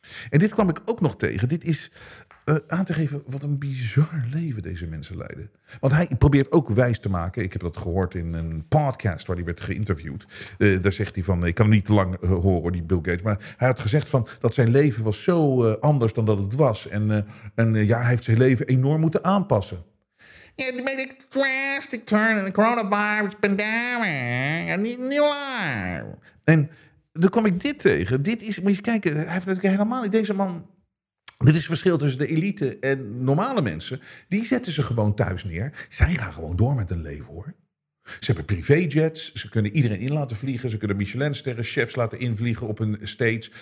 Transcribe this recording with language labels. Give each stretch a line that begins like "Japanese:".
Dutch: En dit kwam ik ook nog tegen. Dit is aan te geven wat een bizar leven deze mensen leiden. Want hij probeert ook wijs te maken. Ik heb dat gehoord in een podcast waar hij werd geïnterviewd. Daar zegt hij van, ik kan hem niet te lang horen, die Bill Gates. Maar hij had gezegd van dat zijn leven was zo anders dan dat het was. En hij heeft zijn leven enorm moeten aanpassen.
English: Yeah, they made a drastic turn in the coronavirus pandemic. And he's new life.
Dutch: En dan kwam ik dit tegen. Dit is, moet je kijken, hij heeft natuurlijk helemaal niet deze man. Dit is het verschil tussen de elite en normale mensen. Die zetten ze gewoon thuis neer. Zij gaan gewoon door met hun leven, hoor. Ze hebben privéjets. Ze kunnen iedereen in laten vliegen. Ze kunnen Michelinsterren chefs laten invliegen op hun stage.